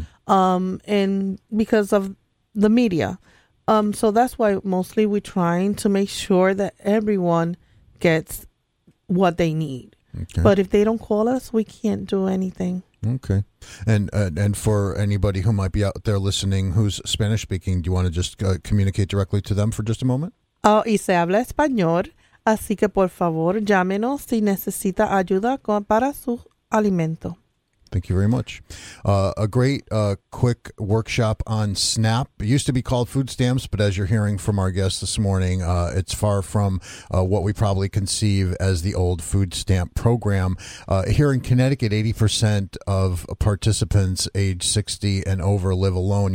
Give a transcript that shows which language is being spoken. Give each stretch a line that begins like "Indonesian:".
English: And because of the media. So that's why mostly we're trying to make sure that everyone gets what they need. Okay. But if they don't call us, we can't do anything. Okay. And for anybody who might be out there listening who's Spanish speaking, do you want to just communicate directly to them for just a moment?
Spanish: Y se habla español, así que por favor, llámenos si necesita ayuda para su alimento.
English: Thank you very much. A great quick workshop on SNAP. It used to be called food stamps, but as you're hearing from our guests this morning, it's far from what we probably conceive as the old food stamp program. Here in Connecticut, 80% of participants age 60 and over live alone.